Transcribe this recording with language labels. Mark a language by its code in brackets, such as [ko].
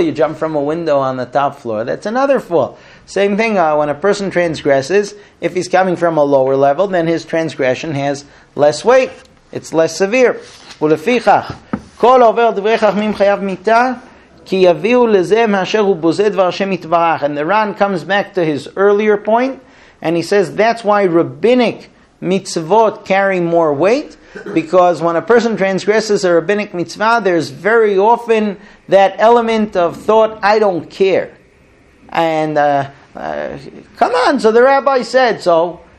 [en] You jump from a window on the top floor, that's another fall. Same thing, when a person transgresses, if he's coming from a lower level, then his transgression has less weight. It's less severe. [he] ולפיכך, כל עובר דברי חכמים חייב מיתה, כי יביאו לזה מאשר הוא בוזה דבר השם יתברך. [en] And the Ran comes back to his earlier point, and he says, that's why rabbinic mitzvot carry more weight, because when a person transgresses a rabbinic mitzvah, there's very often that element of thought, "I don't care." And come on, so the rabbi said so.